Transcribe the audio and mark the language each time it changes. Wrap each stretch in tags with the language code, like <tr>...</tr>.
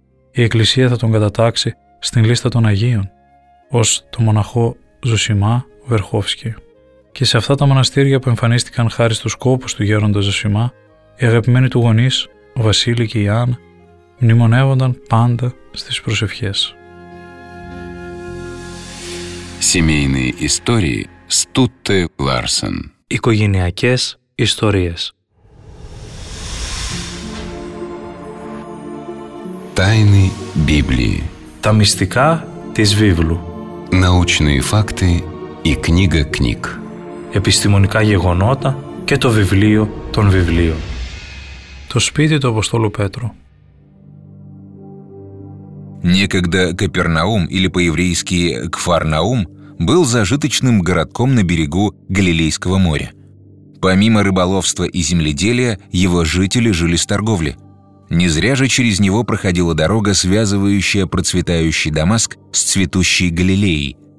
<el>Η Εκκλησία θα τον κατατάξει στην λίστα των Αγίων, ως το μοναχό Ζωσιμά Βερχόφσκι. Και σε αυτά τα μοναστήρια που εμφανίστηκαν χάρη στους κόπους του γέροντα Ζωσιμά, οι αγαπημένοι του γονείς, ο Βασίλη και η Άννα, μνημονεύονταν πάντα στις προσευχές.</el> <ru>Семейные истории Стутте Ларсен.</ru> <el>Οικογενειακές ιστορίες.</el> <ru>Тайны Библии.</ru> <el>Τα μυστικά της Βίβλου.</el> <ru>Научные факты и книга книг.</ru> <el>Επιστημονικά γεγονότα και το βιβλίο των βιβλίων. Το σπίτι του Αποστόλου Πέτρου.</el> <ru>Некогда Капернаум, или по-еврейски Кфарнаум, был зажиточным городком на берегу Галилейского моря. Помимо рыболовства и земледелия, его жители жили с торговли. Не зря же через него проходила дорога, связывающая процветающий Дамаск с цветущей Галилеей.</ru>